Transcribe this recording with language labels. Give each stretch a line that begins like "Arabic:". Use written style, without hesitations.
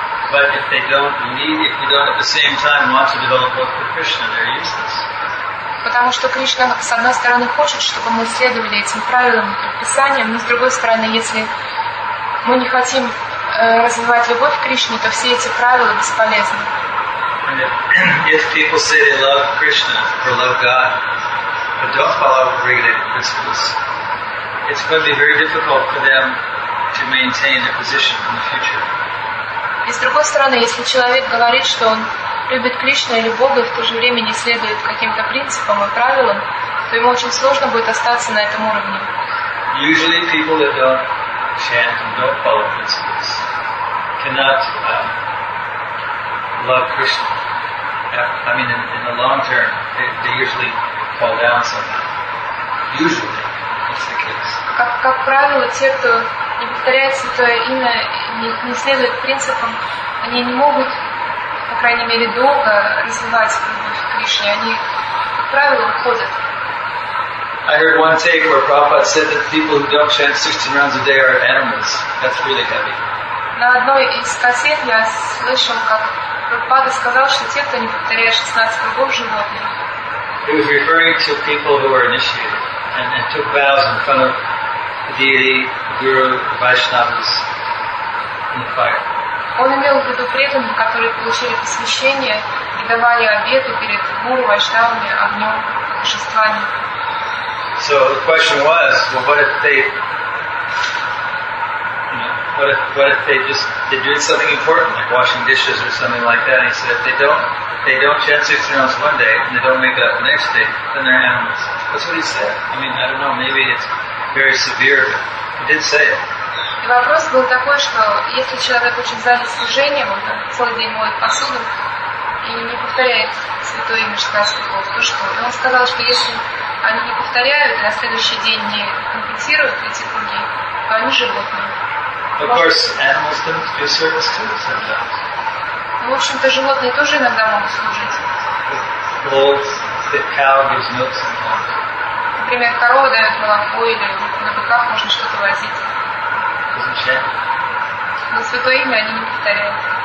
English: But if they don't need, if you don't at the same time want to develop love for Krishna, they're useless.
Russian: Потому что Кришна с одной стороны хочет, чтобы мы следовали этим правилам и предписаниям, но с другой стороны, если мы не хотим развивать любовь к Кришне, то все эти правила бесполезны.
English: If people say they love Krishna or love God, but don't follow regulated principles, it's going to be very difficult for them to maintain their position in the future.
Russian: И с другой стороны, если человек говорит, что он любит Кришну или Бога, и в то же время не следует каким-то принципам и правилам, то ему очень сложно будет остаться на этом уровне.
English: Usually people that don't chant and don't follow principles cannot love Krishna. I mean, in the long term, they usually fall down somehow. Usually.
Russian: Как правило, те, кто не повторяет святое имя, не следует принципам, они не могут, по крайней мере, долго развивать любовь к Кришне. Они, как правило, уходят.
English: I heard one take where Prabhupada said that people who don't chant 16 rounds a day are animals. That's really heavy.
Russian: На одной из кассет я слышал, как Прабхупада сказал, что те, кто не повторяет 16 кругов, животные.
English: He was referring to people who were initiated and took vows in front of deity, guru, Vaishnavas in the fire.
Russian: Он имел в виду преданных, которые получили посвящение и давали обеты перед гуру, вайшнавами, огнем, божествами.
English: So the question was, well, what if they, what if they just they're doing something important, like washing dishes or something like that? And he said, if they don't chant 16 rounds one day and they don't make it up the next day, then they're animals. That's what he said. I mean, I don't know. Maybe it's very severe. He did say it.
Russian: И вопрос был такой, что если человек очень занят служением, он целый день моет посуду и не повторяет святое имя 16 кругов, то что? И он сказал, что если они не повторяют и на следующий день не компенсируют эти круги, то они животные.
English: Of course, animals don't do service too sometimes.
Russian: Ну, в общем-то, животные тоже иногда могут служить.
English: Bulls, the cow gives milk sometimes.
Russian: Например, корова дает молоко, или на быках можно что-то возить.
English: Doesn't chant.
Russian: Но святое имя они не повторяют.